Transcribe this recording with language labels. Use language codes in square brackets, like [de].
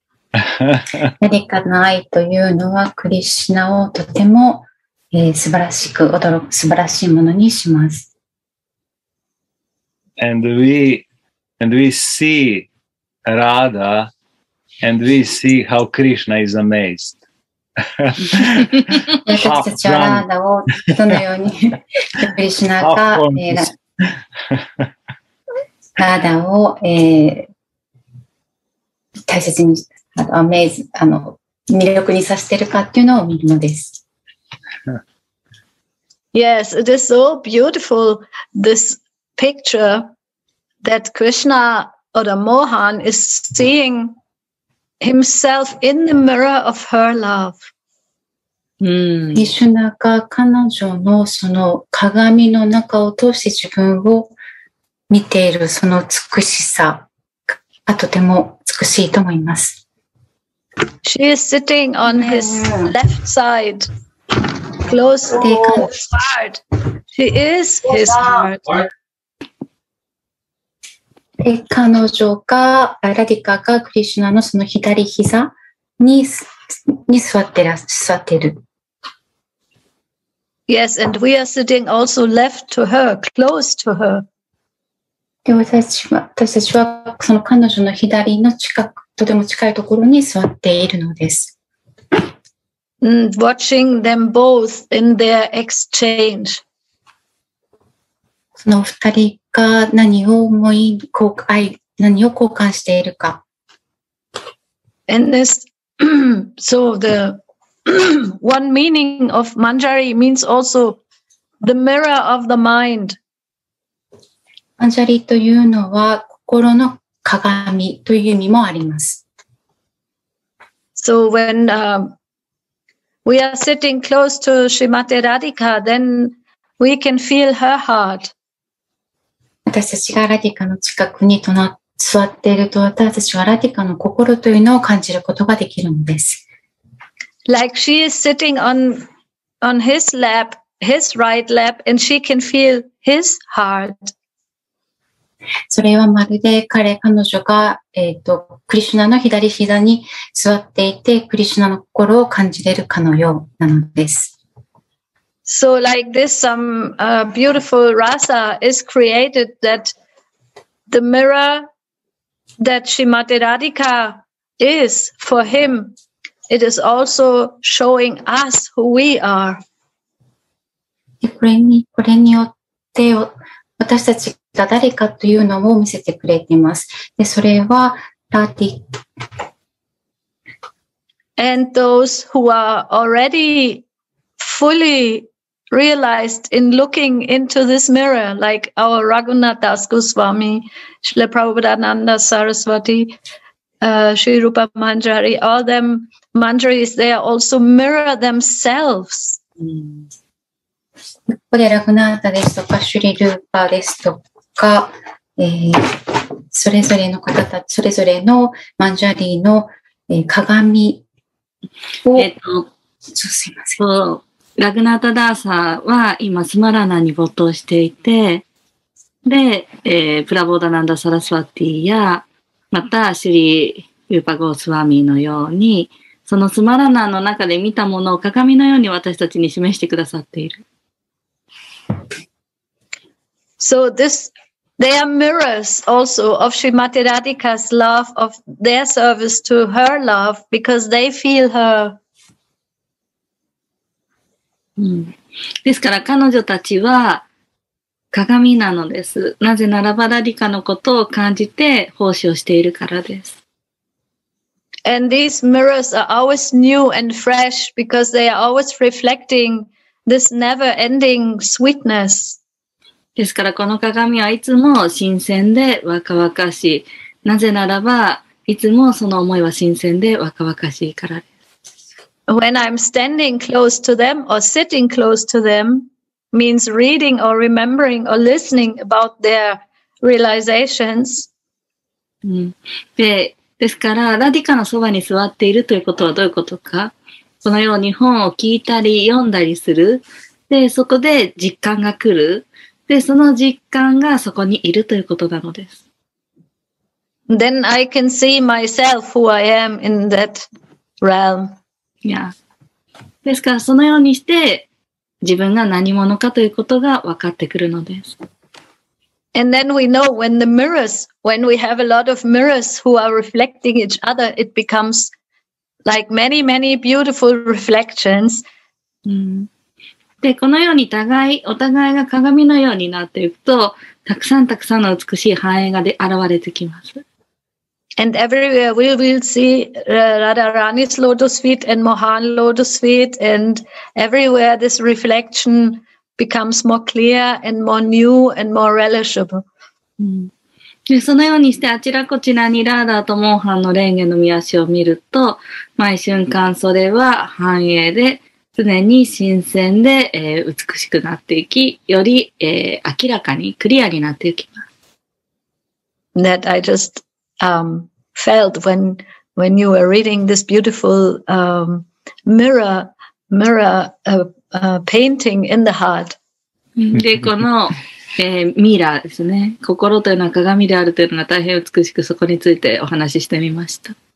[ja] ラディカの愛というのはクリシュナをとても素晴らしく驚く素晴らしいものにします。 [en] And we see Radha and we see how Krishna is amazed. [ja] 私たちはラーダをどのようにクリシナがラーダを大切にアメイズ魅力にさせているかっていうのを見るのです。 [en] Yes, it is so beautiful, this picture that Krishna or the Mohan is seeing himself in the mirror of her love. [ja] Krishna が彼女のその鏡の中を通して自分を見ているその美しさあ、とても美しいと思います。 [en] She is sitting on his left side, close to his heart. She is his heart. [ja] 彼女が、ラディカがクリシュナのその左膝に、座っている。 [en] Yes, and we are sitting also left to her, close to her. [ja] で、私たちはその彼女の左の近く、とても近いところに座っているのです。 [en] And watching them both in their exchange. [ja] その二人が何を交換しているか。 [en] And this, so the one meaning of Manjari means also the mirror of the mind. [ja] Manjari というのは心の鏡という意味もあります。 [en] So when we are sitting close to Srimati Radhika, then we can feel her heart. [ja] 私たちがラディカの近くに座っていると、私たちはラディカの心というのを感じることができるのです。 [en] Like she is sitting on his lap, his right lap, and she can feel his heart. [ja] それはまるで彼女が、クリシュナの左膝に座っていて、クリシュナの心を感じれるかのようなのです。 [en] So like this, some beautiful rasa is created that the mirror that Srimati Radhika is for him, it is also showing us who we are. [ja] これによって私たちが誰かというのを見せてくれています。で、それはラディ。 [en] And those who are already fully realized in looking into this mirror, like our Raghunath Das Goswami, Srila Prabhupada Nanda Saraswati, Sri Rupa Manjari, all them Manjaris, they are also mirror themselves. [ja] ここでラグナータですとか、シュリルーパーですとか、それぞれの方たち、それぞれのマンジャリーの、鏡を、すいません。ラグナータダーサーは今スマラナに没頭していて、で、プラボーダナンダサラスワティや、またシュリーユーパゴースワミのように、そのスマラナの中で見たものを鏡のように私たちに示してくださっている。 [en] So this, they are mirrors also of Srimati Radhika's love, of their service to her love, because they feel her. [ja] ですから彼女たちは鏡なのです。なぜならばラディカのことを感じて奉仕をしているからです。 [en] And these mirrors are always new and fresh because they are always reflecting this never-ending sweetness. [ja] ですからこの鏡はいつも新鮮で若々しい。なぜならばいつもその思いは新鮮で若々しいからです。 [en] When I'm standing close to them or sitting close to them means reading or remembering or listening about their realizations. [ja] ですから、ラディカのそばに座っているということはどういうことか。このように本を聞いたり読んだりする。で、そこで実感が来る。で、その実感がそこにいるということなのです。 [en] Then I can see myself who I am in that realm. [ja] ですからそのようにして自分が何者かということが分かってくるのです。 [en] And then we know when the mirrors, when we have a lot of mirrors who are reflecting each other, it becomes like many, many beautiful reflections.、 [ja] で、このように互いが鏡のようになっていくと、たくさんたくさんの美しい反映が現れてきます。 [en] And everywhere we will see Radharani's lotus feet and Mohan's lotus feet, and everywhere this reflection becomes more clear and more new and more relishable.、 [ja] で、そのようにしてあちらこちらにラーダーとモーハンの蓮華の御足を見ると、毎瞬間それは繁栄で常に新鮮で、美しくなっていき、より、明らかにクリアになっていきます。 [en] That I just felt when you were reading this beautiful mirror painting in the heart. [ja] で、この、ミイラーですね。心というのは鏡であるというのが大変美しく、そこについてお話ししてみました。